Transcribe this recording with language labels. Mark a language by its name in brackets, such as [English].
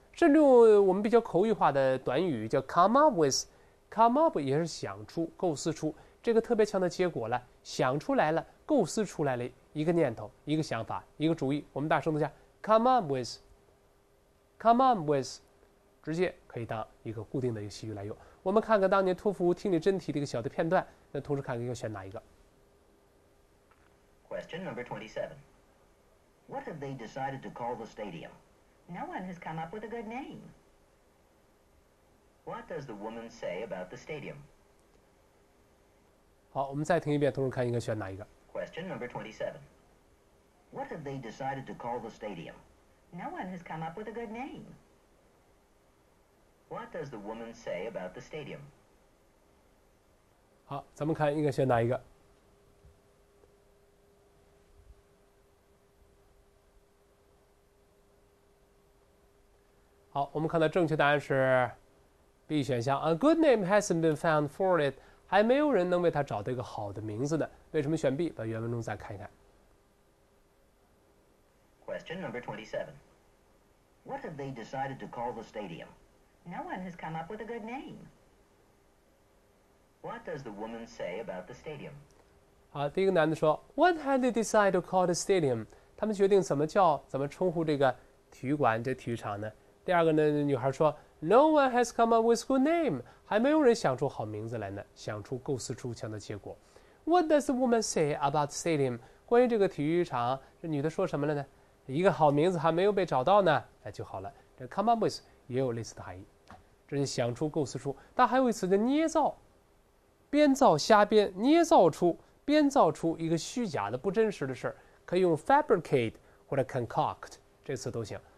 [Chinese] 甚至我们比较口语化的短语叫 come up with， come up 也是想出、构思出，这个特别强的结果了，想出来了、构思出来了一个念头、一个想法、一个主意，我们大声读一下 come up with， come up with， 直接可以当一个固定的一个习语来用。我们看看当年托福听力真题的一个小的片段，那同时看看要选哪一个。 [English] Question number 27， What have they decided to call the stadium？ No one has come up with a good name. What does the woman say about the stadium? [Chinese] 好，我们再听一遍，同时看应该选哪一个。 [English] Question number 27. What have they decided to call the stadium? No one has come up with a good name. What does the woman say about the stadium? [Chinese] 好，咱们看应该选哪一个。好，我们看到正确答案是 B 选项。 [English] A good name hasn't been found for it， [Chinese] 还没有人能为它找到一个好的名字呢。为什么选 B？ 把原文中再看一看。 [English] Question number 27. What have they decided to call the stadium? No one has come up with a good name. What does the woman say about the stadium? [Chinese] 好，第一个男的说 [English] ，What had they decided to call the stadium？ [Chinese] 他们决定怎么叫、怎么称呼这个体育馆、这体育场呢？第二个呢，女孩说 ： [English] “No one has come up with a good name， [Chinese] 还没有人想出好名字来呢，想出、构思出强的结果。 [English] What does the woman say about the stadium? [Chinese] 关于这个体育场，这女的说什么了呢？一个好名字还没有被找到呢，那就好了。这 come up with 也有类似的含义。这是想出构思出，但还有一词叫捏造，编造、瞎编、捏造出、编造出一个虚假的、不真实的事儿，可以用 fabricate 或者 concoct 这词都行。